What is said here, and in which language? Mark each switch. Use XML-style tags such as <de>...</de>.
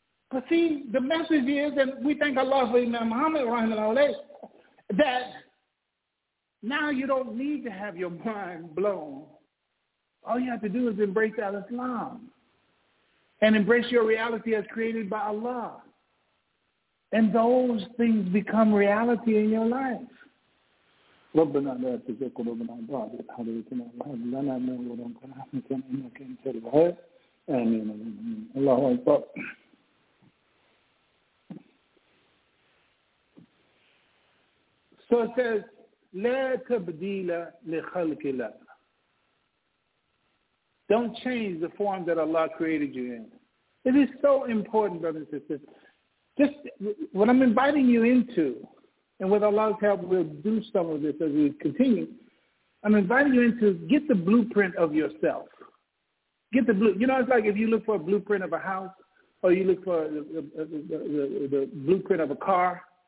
<en>But see, the message is, and we thank Allah for Imam Muhammad, rahimahullah, that now you don't need to have your mind blown. All you have to do is embrace Al-Islam and embrace your reality as created by Allah. And those things become reality in your life.</en> <ar>ربنا لا تزغ قلوبنا بعد إذ هديتنا وهب لنا من لدنك رحمة إنك أنت الوهاب آمين الله أكبر.</ar> <en>So it says,</en> <ar>لَا تَبْدِيلَ لِخَلْقِ اللَّهِ.</ar> <en>Don't change the form that Allah created you in. It is so important, brothers and sisters. Just what I'm inviting you into, and with Allah's help, we'll do some of this as we continue. I'm inviting you into get the blueprint of yourself. Get the blue. You know, it's like if you look for a blueprint of a house, or you look for the blueprint of a car,</en>